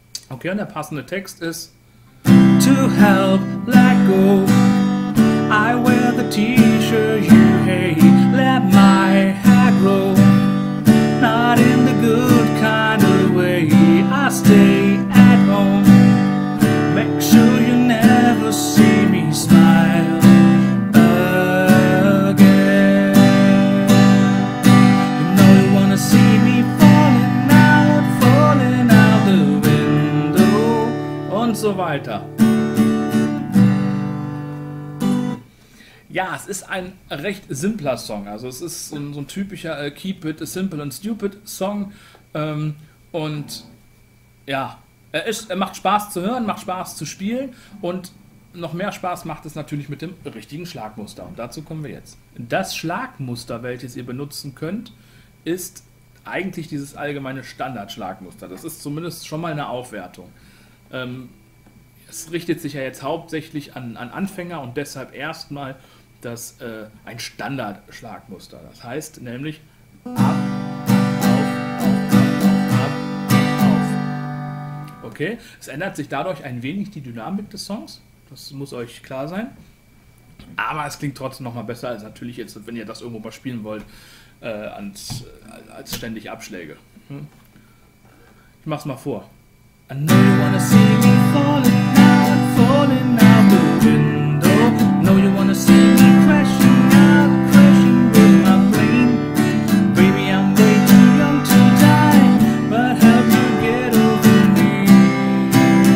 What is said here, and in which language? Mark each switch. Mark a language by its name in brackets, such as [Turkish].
[German] Okay, und der passende Text ist [English] To help let go. I wear the t-shirt you hate, let my hair grow, not in the good kind of way, I stay at home, make sure you never see me smile again, you know you wanna see me falling out the window, [German] und so weiter. Ja, es ist ein recht simpler Song. Also es ist so ein typischer [English] Keep It Simple and Stupid Song. [German] Und ja, er macht Spaß zu hören, macht Spaß zu spielen. Und noch mehr Spaß macht es natürlich mit dem richtigen Schlagmuster. Und dazu kommen wir jetzt. Das Schlagmuster, welches ihr benutzen könnt, ist eigentlich dieses allgemeine Standardschlagmuster. Das ist zumindest schon mal eine Aufwertung. Es richtet sich ja jetzt hauptsächlich an Anfänger und deshalb erstmal das ein Standardschlagmuster. Das heißt nämlich ab, auf, ab, auf. Okay, es ändert sich dadurch ein wenig die Dynamik des Songs, das muss euch klar sein. Aber es klingt trotzdem nochmal besser als natürlich jetzt, wenn ihr das irgendwo mal spielen wollt, als ständig Abschläge. Ich mach's mal vor. [English] I know you wanna see me falling out the window. Know you wanna see me crashing with my plane. Baby, I'm way too young to die, but help you get over me.